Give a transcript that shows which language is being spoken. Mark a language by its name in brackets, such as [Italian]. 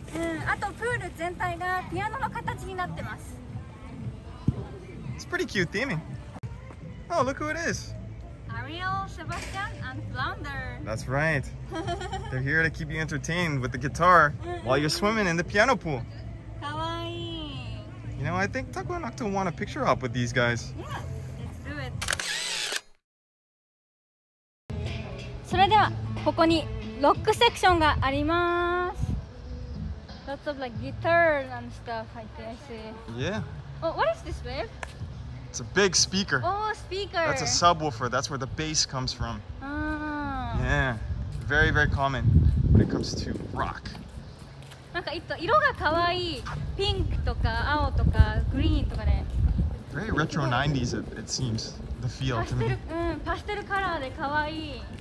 [English] It's pretty cute theming. Oh, look who it is. Ariel, Sebastian, and Flounder. That's right. They're here to keep you entertained with the guitar while you're swimming in the piano pool. You know, I think Taku and Octo want a picture op with these guys. Yeah, let's do it. [Japanese] それではここにロックセクションがあります。 [English] Lots of like guitar and stuff, I guess. Yeah. Oh, what is this, babe? It's a big speaker. Oh, speaker. That's a subwoofer. That's where the bass comes from. Ah. Yeah, very, very common when it comes to rock. [Japanese] なんか色がかわいい、ピンクとか青とかグリーンとかね。 [English] Very retro 90s it seems, the feel to me. [Japanese] パステルカラーでかわいい。